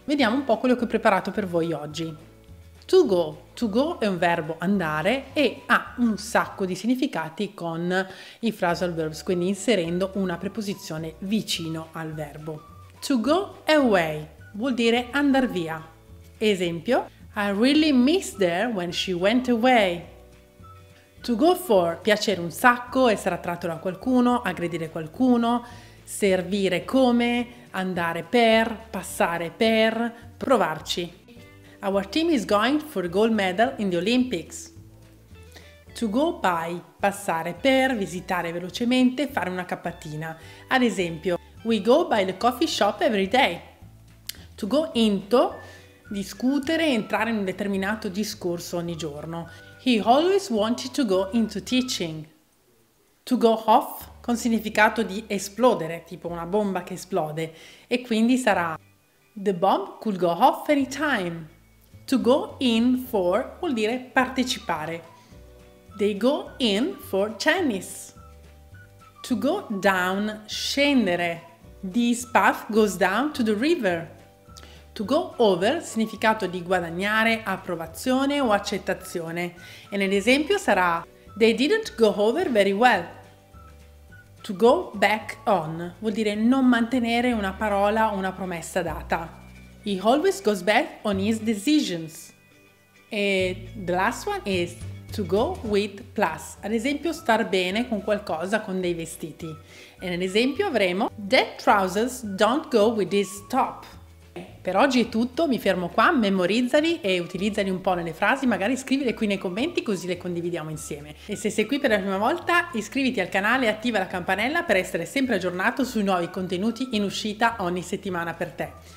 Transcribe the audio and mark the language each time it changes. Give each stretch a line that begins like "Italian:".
Italian: Vediamo un po' quello che ho preparato per voi oggi. To go è un verbo andare e ha un sacco di significati con i phrasal verbs, quindi inserendo una preposizione vicino al verbo. To go away vuol dire andar via.
English: Esempio: I really missed her when she went away.
Italian: To go for, piacere un sacco, essere attratto da qualcuno, aggredire qualcuno, servire come, andare per, passare per, provarci.
English: Our team is going for a gold medal in the Olympics.
Italian: To go by, passare per, visitare velocemente, fare una cappatina. Ad esempio,
English: we go by the coffee shop every day.
Italian: To go into, discutere, entrare in un determinato discorso ogni giorno.
English: He always wanted to go into teaching.
Italian: To go off, con significato di esplodere, tipo una bomba che esplode. E quindi sarà
English: the bomb could go off anytime.
Italian: To go in for vuol dire partecipare.
English: They go in for tennis. To go down, scendere. This path goes down to the river.
Italian: To go over, significato di guadagnare approvazione o accettazione. E nell'esempio sarà
English: they didn't go over very well.
Italian: To go back on vuol dire non mantenere una parola o una promessa data.
English: He always goes back on his decisions. E the last one is to go with plus.
Italian: Ad esempio, star bene con qualcosa, con dei vestiti. E nell'esempio avremo
English: that trousers don't go with this top.
Italian: Per oggi è tutto, mi fermo qua, memorizzali e utilizzali un po' nelle frasi, magari scrivile qui nei commenti così le condividiamo insieme. E se sei qui per la prima volta, iscriviti al canale e attiva la campanella per essere sempre aggiornato sui nuovi contenuti in uscita ogni settimana per te.